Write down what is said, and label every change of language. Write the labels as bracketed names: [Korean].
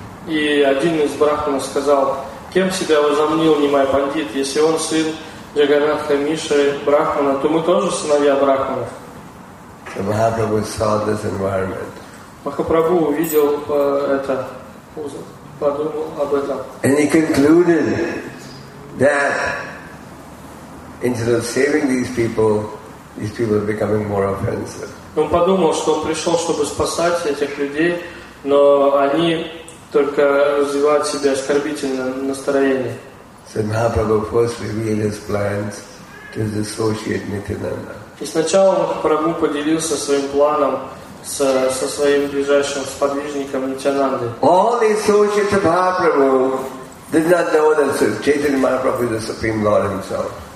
[Russian] И один из брахманов сказал, "Кем себя возомнил Нимай Пандит? Если он сын Джаганнатха Миши Брахмана, то мы тоже сыновья брахманов." [English] So Mahaprabhu saw this environment. [Russian] Махапрабху увидел это, подумал об этом. [English] And he concluded that instead of saving these people are becoming more offensive. [Russian] Он подумал, что он пришел, чтобы спасать этих людей, но они только развивают себе оскорбительное настроение. [English] So Mahaprabhu first revealed his plans to his associate Nityananda. [Russian] И сначала Махапрабху поделился своим планом со своим ближайшим сподвижником Нитянандой. [English] All the associates of Mahaprabhu did not know that Chaitanya Mahaprabhu is the Supreme Lord himself.